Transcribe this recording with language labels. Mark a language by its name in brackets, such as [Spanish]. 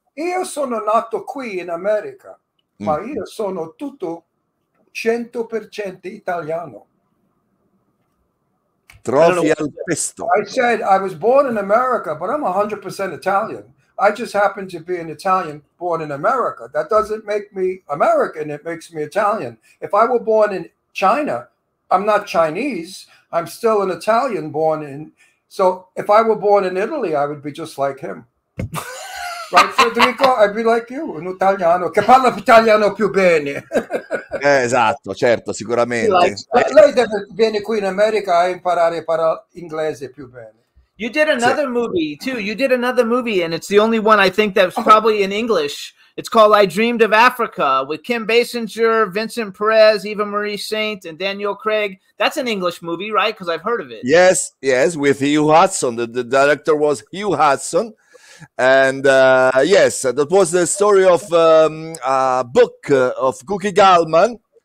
[Italian] Io sono nato qui in America, ma io sono tutto 100% italiano. Trofi al pesto. [English] I said I was born in America, but I'm 100% Italian. I just happen to be an Italian born in America. That doesn't make me American. It makes me Italian. If I were born in China, I'm not Chinese. I'm still an Italian born in. So if I were born in Italy, I would be just like him. Right, Federico? I'd be like you, [Italian] un italiano che parla italiano più bene. Esatto, certo, sicuramente. [English] Like, [Italian] lei deve venire qui in America a imparare a parlare inglese più bene. [English] You did another movie too. You did another movie, and it's the only one I think that's probably in English. It's called "I Dreamed of Africa" with Kim Basinger, Vincent Perez, Eva Marie Saint, and Daniel Craig. That's an English movie, right? Because I've heard of it. Yes, yes, with Hugh Hudson. The director was Hugh Hudson, and yes, that was the story of a book of Gucci Gallman.